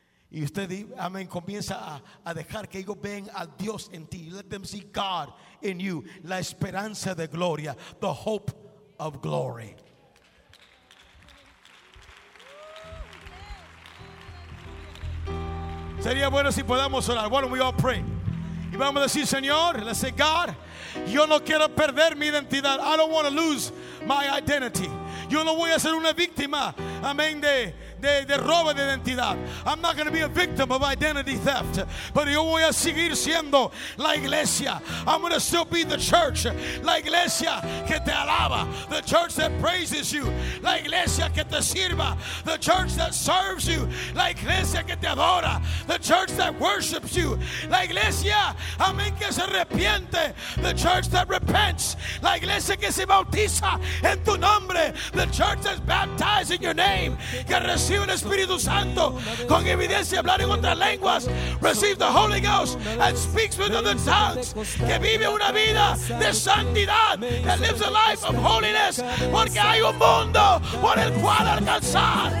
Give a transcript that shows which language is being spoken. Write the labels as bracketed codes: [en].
[es] Y usted, amen, comienza a dejar que ellos vean a Dios en ti. [en] Let them see God in you, [es] la esperanza de gloria, [en] the hope of glory. [es] Sería bueno si podamos orar. [en] Why don't we all pray? [es] Y vamos a decir, Señor, [en] let's say, God, [es] yo no quiero perder mi identidad. [en] I don't want to lose my identity. [es] Yo no voy a ser una víctima, amén, de robo de identidad. [en] I'm not going to be a victim of identity theft. [es] Pero yo voy a seguir siendo la iglesia. [en] I'm going to still be the church. [es] La iglesia que te alaba. [en] The church that praises you. [es] La iglesia que te sirva. [en] The church that serves you. [es] La iglesia que te adora. [en] The church that worships you. [es] La iglesia, amén, que se arrepiente. [en] The church that repents. [es] La iglesia que se bautiza en tu nombre. [en] The church that's baptized in your name. [es] Que recibe el Espíritu Santo con evidencia, hablar en otras lenguas. [en] Receive the Holy Ghost and speaks with other tongues. [es] Que vive una vida de santidad. [en] That lives a life of holiness. [es] Porque hay un mundo por el cual alcanzar.